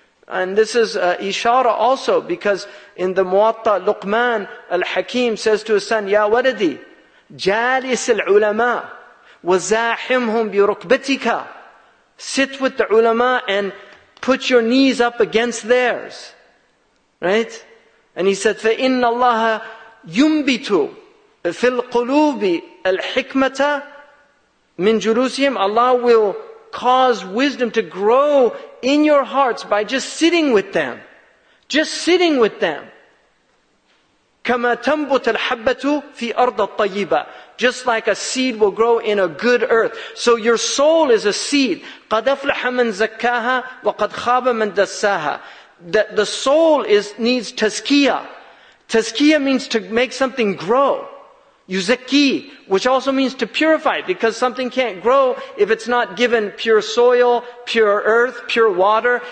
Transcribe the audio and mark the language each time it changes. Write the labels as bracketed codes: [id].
[en] And this is Ishara also, because in the Muwatta, Luqman al-Hakim says to his son, [ar] يَا وَلَدِي جَالِسِ الْعُلَمَاء وَزَاحِمْهُمْ بِرُكْبَتِكَ. [en] Sit with the ulama and put your knees up against theirs. Right? And he said, [ar] فَإِنَّ اللَّهَ يُنْبِتُ فِي الْقُلُوبِ الْحِكْمَةَ مِنْ جُلُوسِهِمْ. [en] Allah will cause wisdom to grow in your hearts by just sitting with them. Just sitting with them. [ar] كَمَا تَنْبُتَ الْحَبَّةُ فِي أَرْضَ الطَّيِّبَةِ. [en] Just like a seed will grow in a good earth. So your soul is a seed. [ar] قَدْ أَفْلَحَ مَنْ زَكَّاهَا وَقَدْ خَابَ مَنْ دَسَّاهَا. [en] The soul needs tazkiya. Tazkiya means to make something grow. Yuzakki, which also means to purify, because something can't grow if it's not given pure soil, pure earth, pure water.